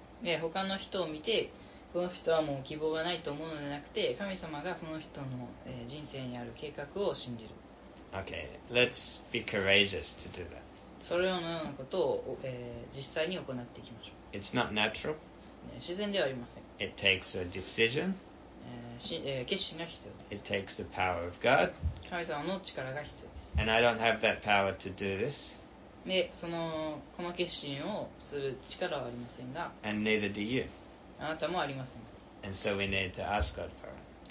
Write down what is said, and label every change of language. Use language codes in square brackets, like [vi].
[ja] Yeah, 他の人を見てこの人はもう希望がないと思うのではなくて、神様がその人の人生にある計画を信じる。 [en] Okay, let's be courageous to do that. [ja] それのようなことを、実際に行っていきましょう。 [en] It's not natural. [ja] 自然ではありません。 [en] It takes a decision. [ja] 決心が必要です。 [en] It takes the power of God. [ja] 神様の力が必要です。 [en] And I don't have that power to do this. [ja] で、その、この決心をする力はありませんが。 [en] And neither do you. [ja] あなたもありません。 [en] And so we need to ask God for it.